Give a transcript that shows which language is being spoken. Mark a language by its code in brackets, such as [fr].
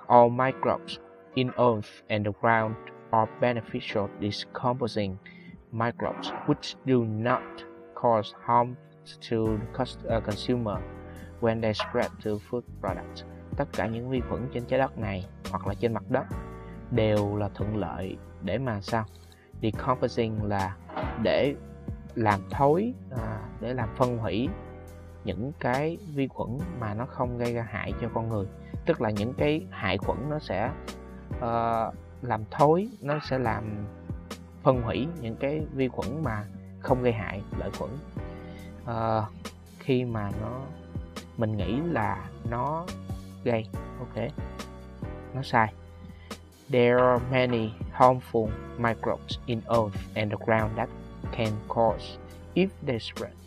[en] All microbes in earth and the ground are beneficial decomposing microbes which do not cause harm to the consumer when they spread to food products. [vi] Tất cả những vi khuẩn trên trái đất này hoặc là trên mặt đất đều là thuận lợi để mà sao? Decomposing là để làm thối, để làm phân hủy những cái vi khuẩn mà nó không gây ra hại cho con người. Tức là những cái hại khuẩn nó sẽ làm thối, nó sẽ làm phân hủy những cái vi khuẩn mà không gây hại, lợi khuẩn. Khi mà nó, mình nghĩ là nó gây, ok, nó sai. [en] There are many harmful microbes in earth and the ground that can cause if they spread.